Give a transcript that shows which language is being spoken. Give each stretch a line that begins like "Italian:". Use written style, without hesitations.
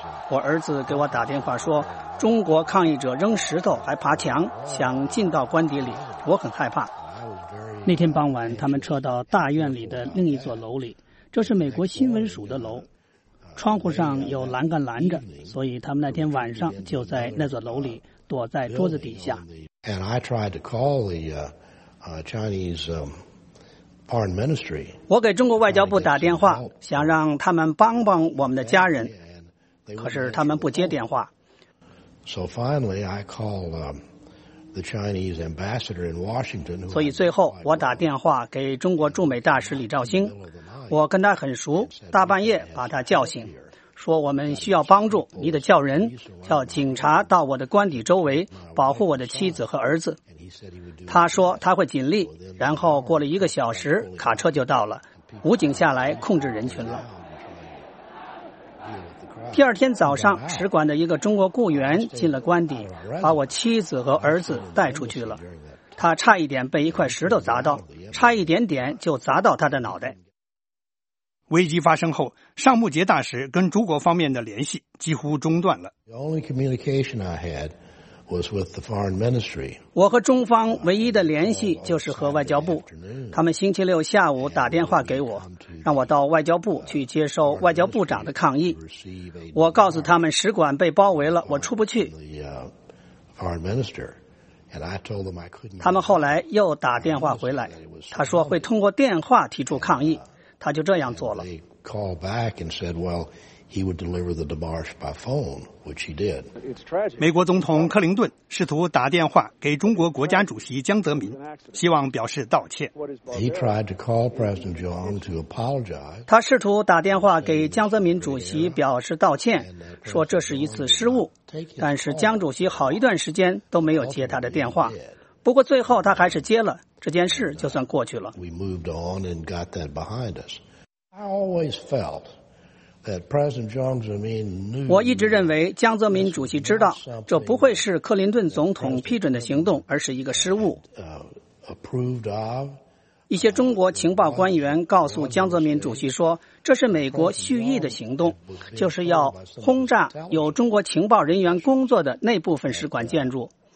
Chinese: 我儿子给我打电话说，中国抗议者扔石头还爬墙，想进到官邸里，我很害怕。那天傍晚，他们撤到大院里的另一座楼里，这是美国新闻署的楼，窗户上有栏杆拦着，所以他们那天晚上就在那座楼里躲在桌子底下。
English: And I tried to call the Chinese Foreign Ministry.
Chinese: 我给中国外交部打电话，想让他们帮帮我们的家人，可是他们不接电话。
English: So finally, I called the Chinese ambassador in Washington.
Chinese: 所以最后我打电话给中国驻美大使李兆星，我跟他很熟，大半夜把他叫醒，说我们需要帮助，你得叫人，叫警察到我的官邸周围保护我的妻子和儿子。他说他会尽力，然后过了一个小时，卡车就到了，武警下来控制人群了。第二天早上，使馆的一个中国雇员进了官邸，把我妻子和儿子带出去了。他差一点被一块石头砸到，差一点点就砸到他的脑袋。危机发生后，尚穆杰大使跟中国方面的联系几乎中断了。
English: The only communication I had was with the foreign ministry.
Chinese: 我和中方唯一的联系就是和外交部。他们星期六下午打电话给我，让我到外交部去接受外交部长的抗议。我告诉他们使馆被包围了，我出不去。他们后来又打电话回来，他说会通过电话提出抗议。他就这样做了。
English: They called back and said, "Well, he would deliver the demarche by phone, which he did."
Chinese: 美国总统克林顿试图打电话给中国国家主席江泽民，希望表示道歉。
English: He tried to call President Jiang to apologize.
Chinese: 他试图打电话给江泽民主席表示道歉，说这是一次失误。但是江主席好一段时间都没有接他的电话。不过最后他还是接了。这件事就算过去了。
English: We moved on and got that behind us. I always felt that President Jiang Zemin knew.
Chinese: 我一直认为江泽民主席知道，这不会是克林顿总统批准的行动，而是一个失误。
English: Approved of.
Chinese: 一些中国情报官员告诉江泽民主席说，这是美国蓄意的行动，就是要轰炸有中国情报人员工作的那部分使馆建筑。